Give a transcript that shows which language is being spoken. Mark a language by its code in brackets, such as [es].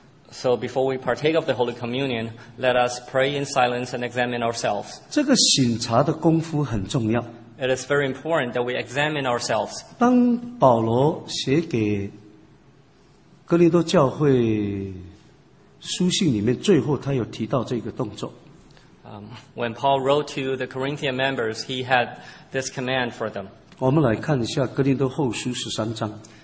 [en] So before we partake of the Holy Communion, let us pray in silence and examine ourselves. [zh] 这个省察的功夫很重要。 [en] It is very important that we examine ourselves. [zh] 当保罗写给哥林多教会书信里面，最后他有提到这个动作。 [en] When Paul wrote to the Corinthian members, he had this command for them. [zh] 我们来看一下哥林多后书13章。